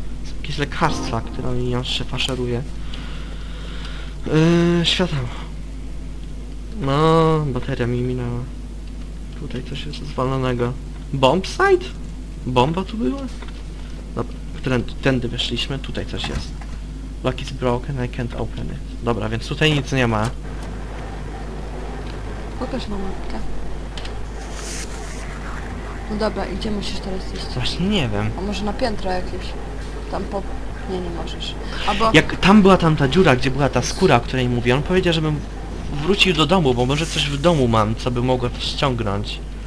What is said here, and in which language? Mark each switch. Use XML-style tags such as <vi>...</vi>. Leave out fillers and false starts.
<pl>Są jakieś lekarstwa, które ją się faszeruje. Światło. No, bateria mi minęła. Tutaj coś jest zwalonego. Bombsite? Bomba tu była? Dobra, tędy weszliśmy, tutaj coś jest.</pl> <en>Lock is broken, I can't open it.</en> <pl>Dobra, więc tutaj nic nie ma. Pokaż nam mapkę. No dobra, i gdzie musisz teraz iść? Właśnie nie wiem. A może na piętro jakieś? Tam po... Nie, nie możesz. Albo... Jak tam była tamta dziura, gdzie była ta skóra, o której mówię, on powiedział, żebym wrócił do domu, bo może coś w domu mam, co by mogło to ściągnąć.</pl>